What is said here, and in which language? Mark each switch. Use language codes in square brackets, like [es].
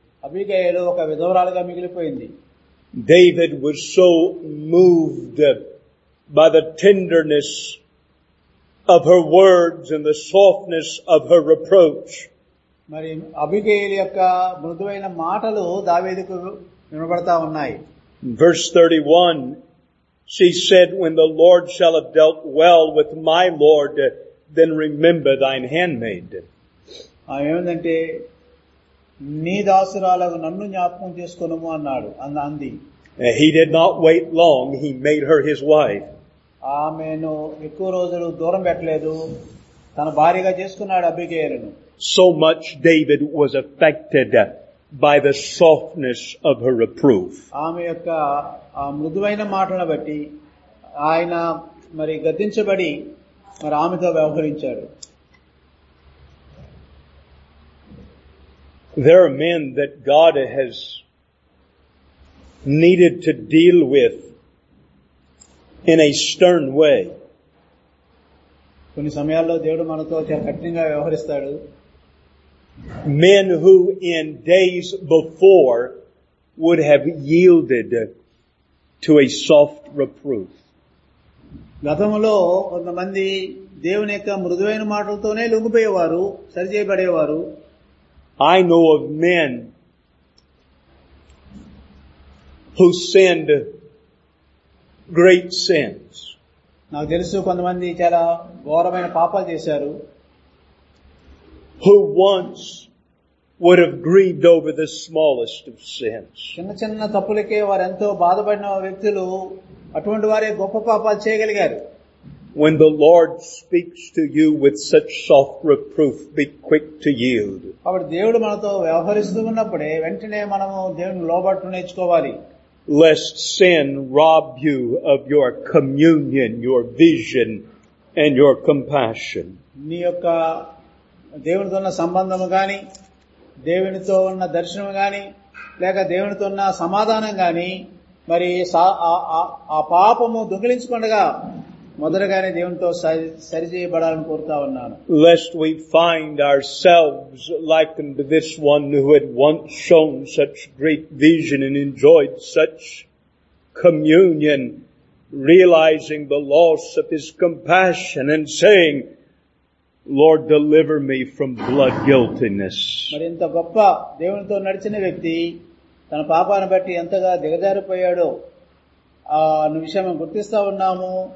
[en] David was so moved by the tenderness of her words and the softness of her reproach [te] మరి Abigail యొక్క మృదువైన మాటలు దావీదుకు వినబడతా ఉన్నాయి. [en] Verse 31, she said, when the Lord shall have dealt well with my Lord, then remember thine handmaid. [te] ఏమిటంటే నీ దాసురాలకు నన్ను జ్ఞాపకం చేసుకోనము అన్నాడు అంది. [en] He did not wait long. He made her his wife. [te] ఆమెను ఎక్కువ రోజులు దూరం పెట్టలేదు, తన భార్యగా చేసుకున్నాడు అబిగైలును. [en] So much David was affected by the softness of her reproof. [te] ఆమె యొక్క ఆ మృదువైన మాటలను బట్టి ఆయన మరి గద్దించబడి మరి ఆమెతో వ్యవహరించాడు. [en] There are men that God has needed to deal with in a stern way. [te] కొన్ని సమయాల్లో దేవుడు మనతో చాలా కఠినంగా వ్యవహరిస్తాడు. [en] Men who in days before would have yielded to a soft reproof. [te] గతంలో కొంతమంది దేవుని యొక్క మృదువైన మాటలతోనే లొంగిపోయేవారు, సరిచేయబడేవారు. [en] I know of men who sinned great sins. [te] నాకు తెలుసు కొంతమంది చాలా ఘోరమైన పాపాలు చేశారు. [en] Who once would have grieved over the smallest of sins. [te] చిన్న చిన్న తప్పులకే వారు ఎంతో బాధపడిన వ్యక్తులు, అటువంటి వారే గొప్ప పాపాలు చేయగలిగారు. [en] When the Lord speaks to you with such soft reproof, be quick to yield. [te] కాబట్టి దేవుడు మనతో వ్యవహరిస్తున్నప్పుడే వెంటనే మనము దేవుని లోబట్టు నేర్చుకోవాలి. [en] Lest sin rob you of your communion, your vision, and your compassion. [te] నీ యొక్క దేవునితోన్న సంబంధము గాని, దేవునితో ఉన్న దర్శనము గాని, లేక దేవునితో ఉన్న సమాధానం గాని, మరి ఆ పాపము దొంగిలించుకుండగా మొదలుగానే దేవునితో సరిచేయబడాలని కోరుతా ఉన్నాను. [en] Lest we find ourselves likened to this one who had once shown such great vision and enjoyed such communion, realizing the loss of his compassion and saying, Lord, deliver me from blood guiltiness. [te] మరి ఇంత గొప్ప దేవునితో నడిచిన వ్యక్తి తన పాపాన్ని బట్టి ఎంతగా దిగజారిపోయాడో ఆ విషయం గుర్తిస్తా ఉన్నాము.